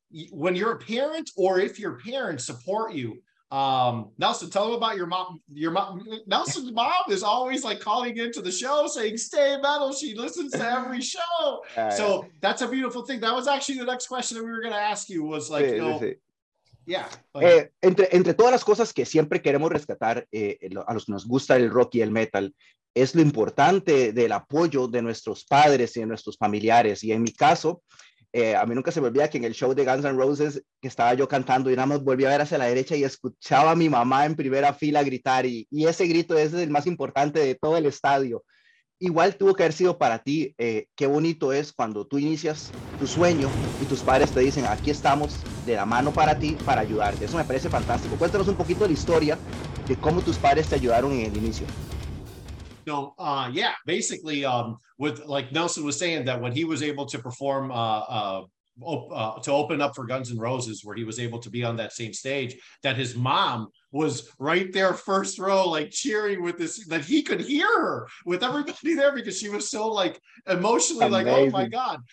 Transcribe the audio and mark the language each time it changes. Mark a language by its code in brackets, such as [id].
[en] when you're a parent, or if your parents support you. Nelson, tell them about your mom. Your mom, Nelson's mom, is always like calling into the show saying stay metal. She listens to every show. That's a beautiful thing. That was actually the next question that we were going to ask you, was like, sí, you know, sí. Yeah. [es] Entre todas las cosas que siempre queremos rescatar, a los que nos gusta el rock y el metal, es lo importante del apoyo de nuestros padres y de nuestros familiares. Y en mi caso, a mí nunca se me olvida que en el show de Guns N' Roses, que estaba yo cantando y nada más volví a ver hacia la derecha y escuchaba a mi mamá en primera fila gritar, y ese grito es el más importante de todo el estadio. Igual tuvo que haber sido para ti. Qué bonito es cuando tú inicias tu sueño y tus padres te dicen, aquí estamos de la mano para ti, para ayudarte. Eso me parece fantástico. Cuéntanos un poquito de la historia de cómo tus padres te ayudaron en el inicio. [en] No, yeah, basically, with like Nelson was saying, that when he was able to perform, to open up for Guns N' Roses, where he was able to be on that same stage, that his mom was right there first row, like cheering with this, that he could hear her with everybody there, because she was so like emotionally amazing. Like, oh my God.